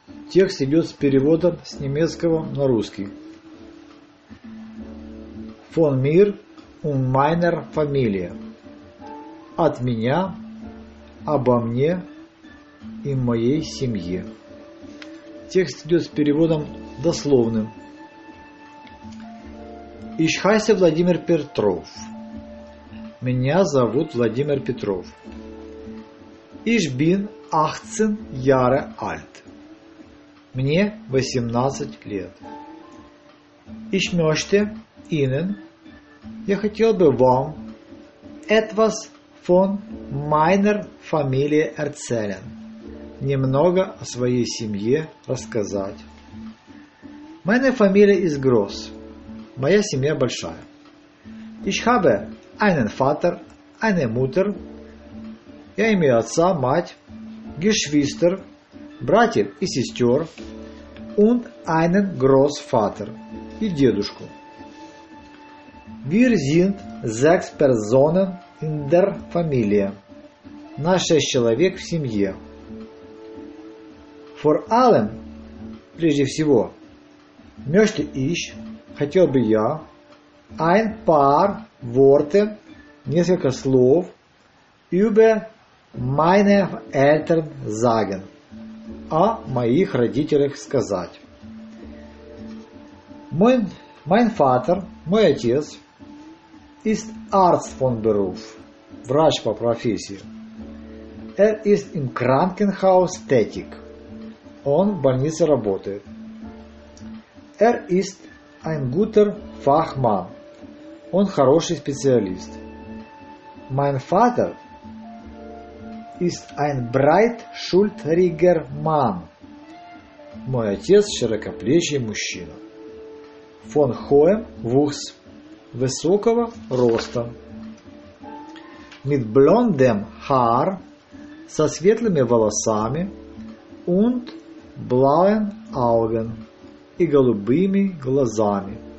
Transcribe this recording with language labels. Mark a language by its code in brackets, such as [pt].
[ru] Текст идет с переводом с немецкого на русский. [de] Von mir und meiner Familie. [ru] От меня, обо мне и моей семье. Текст идет с переводом дословным. [de] Ich heiße Владимир Петров. [ru] Меня зовут Владимир Петров. [de] Ich bin 18 Jahre alt. [ru] Мне 18 лет. [de] Ich möchte Ihnen, [ru] я хотел бы вам, [de] etwas von meiner Familie erzählen. [ru] Немного о своей семье рассказать. [de] Meine Familie ist groß. [ru] Моя семья большая. [de] Ich habe einen Vater, eine Mutter. [ru] Я имею отца, мать, [de] Geschwister, [ru] братьев и сестер, [de] und einen Großvater, [ru] и дедушку. [de] Wir sind 6 Personen in der Familie. [ru] Нас 6 человек в семье. [de] Vor allem, [ru] прежде всего, [de] möchte ich, [ru] хотел бы я, [de] ein paar Worte, [ru] несколько слов, [de] über meine Eltern sagen, [ru] о моих родителях сказать. [de] Mein Vater, [ru] мой отец, [de] ist Arzt von Beruf, [ru] врач по профессии. [de] Er ist im Krankenhaus tätig, [ru] он в больнице работает. [de] Er ist ein guter Fachmann, [ru] он хороший специалист. [de] Mein Vater ist ein breitschultriger Mann. [ru] Мой отец широкоплечий мужчина. [de] Von hohem Wuchs, [ru] высокого роста. [de] Mit blondem Haar, [ru] со светлыми волосами, [de] und blauen Augen, [ru] и голубыми глазами.